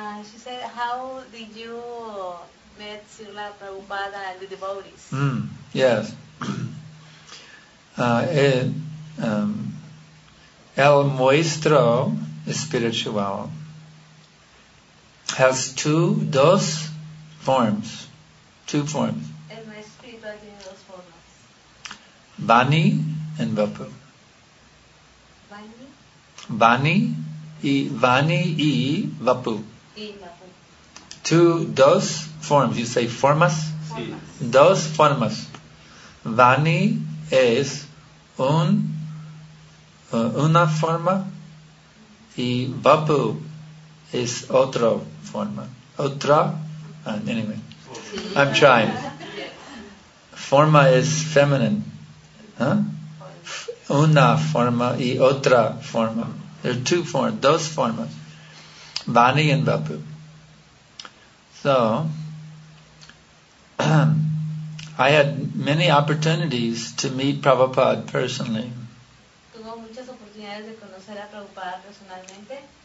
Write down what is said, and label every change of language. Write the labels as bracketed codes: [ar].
[en] She said, how did you meet Srila Prabhupada and the devotees? Yes. [es] El Muestro Espiritual [en] has two forms. [es] El Muestro Espiritual tiene dos formas. [en] Bani and Vapu. Bani? [es] Vani y Vapu. [en] Two, dos forms. You say formas? [es] Sí. Dos formas. Vani es una forma y Vapu es otra forma. [en] Otra? Anyway. I'm trying. Forma is feminine. Huh? [es] Una forma y otra forma. [en] There are two forms, [es] dos formas. Vani and Vapu. [en] So, I had many opportunities to meet Prabhupada personally. [es] Tuvo muchas oportunidades de conocer a Prabhupada personalmente.